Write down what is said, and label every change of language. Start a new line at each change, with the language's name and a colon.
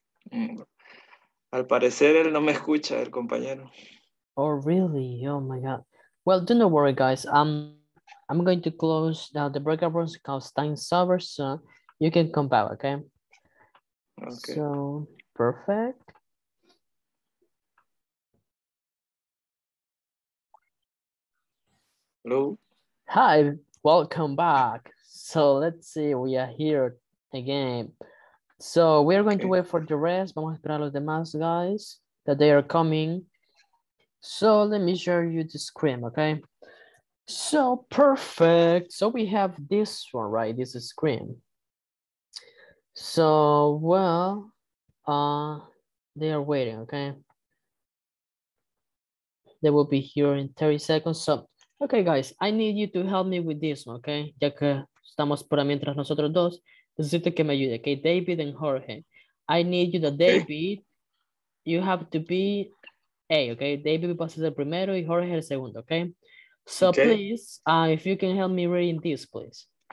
Spanish: Al parecer él no me escucha, el compañero.
English: Oh, really? Oh my god. Well, do not worry, guys. I'm going to close now the breakout rooms because time's over, so you can come back, okay? Okay. So, perfect. Hello. Hi, welcome back. So let's see, we are here again. So we are going to wait for the rest.
Spanish: Vamos a esperar a los demás,
English: guys, that they are coming. So let me show you the screen, okay? So perfect. So we have this one, right? This is screen. So, well, they are waiting, okay? They will be here in 30 seconds. So, okay, guys, I need you to help me with this, okay?
Spanish: Ya que estamos por mientras nosotros dos, necesito que me ayude, okay?
English: David and Jorge. I need you, David, you have to be A, okay?
Spanish: David va a ser el primero y Jorge el segundo, okay?
English: So, okay. Please, if you can help me reading this, please.